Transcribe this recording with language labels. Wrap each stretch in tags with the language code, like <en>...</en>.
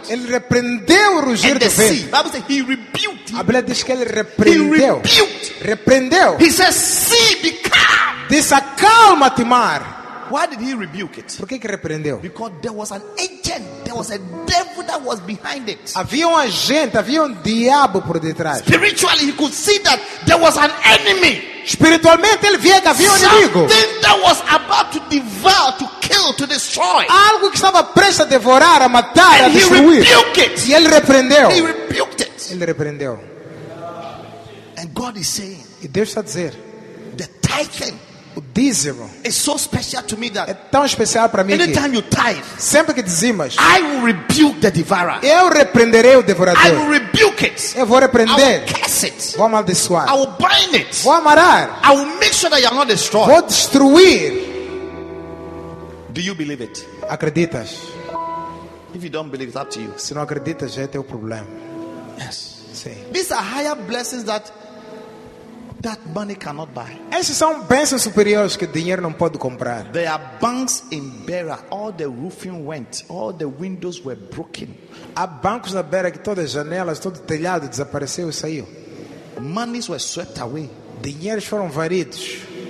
<pt>Ele repreendeu o rugir do vento.</pt> <en>The Bible says he rebuked.</en> <pt>A Bíblia diz que ele repreendeu.</pt> <en>He</en> <pt>repreendeu.</pt> <en>He says, "See, be calm."</en> <pt>Disse, acalma-te, mar.</pt> <en>Why did he rebuke it?</en> <pt>Por que que repreendeu?</pt> <en>Because there was an agent, there was a devil that was behind it.</en> <pt>Havia um agente, havia um diabo por detrás.</pt> <en>Spiritually, he could see that there was an enemy.</en> <pt>Espiritualmente, ele via que havia um inimigo.</pt> <en>Something that was about to devour, to kill, to destroy.</en> <pt>Algo que estava prestes a devorar, a matar,</pt> <en>and</en> <pt>a destruir.</pt> <en>He rebuked it.</en> <pt>E ele repreendeu.</pt> <en>He rebuked it.</en> <pt>Ele repreendeu.</pt> <en>And God is saying,</en> <pt>e Deus está a dizer,</pt> <en>the tithing,</en> <pt>o dízimo,</pt> <en>is so special to me that</en> <pt>é tão especial para mim.</pt> <en>Anytime</en> <pt>que,</pt> <en>you tithe,</en> <pt>sempre que dizimas,</pt> <en>I will rebuke the devourer.</en> <pt>Eu repreenderei o devorador.</pt> <en>I will rebuke it.</en> <pt>Eu vou repreender.</pt> <en>I will curse it.</en> <pt>Vou amaldiçoar.</pt> <en>I will bind it.</en> <pt>Vou amarrar.</pt> <en>I will make sure that you are not destroyed.</en> <pt>Vou destruir.</pt> <en>Do you believe it?</en> <pt>Acreditas?</pt> <en>If you don't believe, it's up to you.</en> <pt>Se não acreditas, já é teu problema.</pt> <en>Yes.</en> <pt>Sim.</pt> <en>These are higher blessings that money cannot buy.</en> <pt>Esses são bênçãos superiores que dinheiro não pode comprar.</pt> <en>There are banks in Beira. All the roofing went. All the windows were broken.</en> <pt>Há bancos na Beira que todas as janelas, todo o telhado desapareceu e saiu.</pt> <en>Monies were swept away.</en> <pt>Dinheiros foram varridos.</pt>